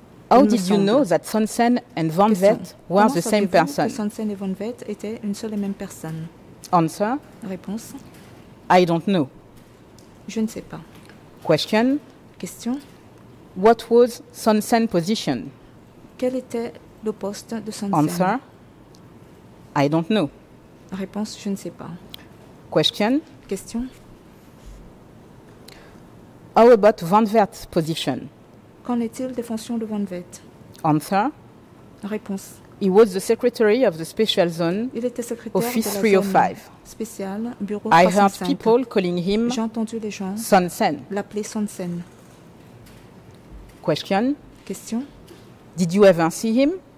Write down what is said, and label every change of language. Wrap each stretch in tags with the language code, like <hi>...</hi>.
<en>How did you know that Sun Sen and Van Vett were the same person?</en> <fr>Sun Sen et Van Vett étaient une seule et même personne.</fr> <en>Answer.</en> <fr>Réponse.</fr> <en>I don't know.</en> <fr>Je ne sais pas.</fr> <en>Question.</en> <fr>Question.</fr> <en>What was Sun Sen's position?</en> <fr>Quel était le poste de Sun Sen?</fr> <en>Answer, I don't know.</en> <fr>Réponse, je ne sais pas.</fr> <en>Question.</en> <fr>Question.</fr> <en>How about Van Vert's position?</en> <fr>Qu'en est-il des fonctions de Van Vert?</fr> <en>Answer.</en> <fr>Réponse.</fr> <en>He was the secretary of the special zone.</en> <fr>Il était secrétaire office de la 305. Zone spéciale, bureau 305.</fr> <en>I heard people calling him.</en> <fr>J'ai entendu les gens.</fr> <en>Sun Sen.</en> <fr>L'appeler Sun Sen.</fr> <en>Question.</en> <fr>Question.</fr> <en>Did you ever see him?</en>